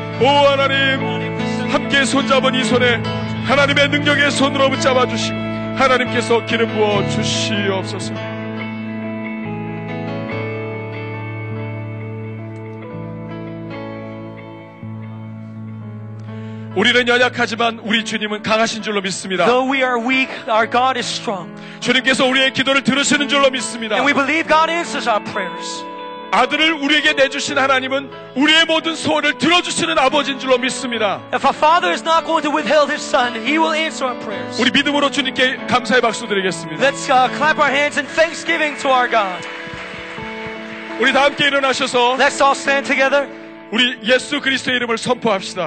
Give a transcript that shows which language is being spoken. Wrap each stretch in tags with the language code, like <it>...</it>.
<ko>오 하나님 함께 손잡은 이 손에 하나님의 능력의 손으로 붙잡아 주시고 하나님께서 기름 부어주시옵소서. 우리는 연약하지만 우리 주님은 강하신 줄로 믿습니다.</ko> <en>Though we are weak, our God is strong.</en> <ko>주님께서 우리의 기도를 들으시는 줄로 믿습니다.</ko> <en>And we believe God answers our prayers.</en> <ko>아들을 우리에게 내주신 하나님은 우리의 모든 소원을 들어주시는 아버지인 줄로 믿습니다.</ko> <en>If our Father is not going to withhold His Son, He will answer our prayers.</en> <ko>우리 믿음으로 주님께 감사의 박수 드리겠습니다.</ko> <en>Let's clap our hands in thanksgiving to our God.</en> <ko>우리 다 함께 일어나셔서.</ko> <en>Let's all stand together.</en> <ko>우리 예수 그리스도의 이름을 선포합시다.</ko>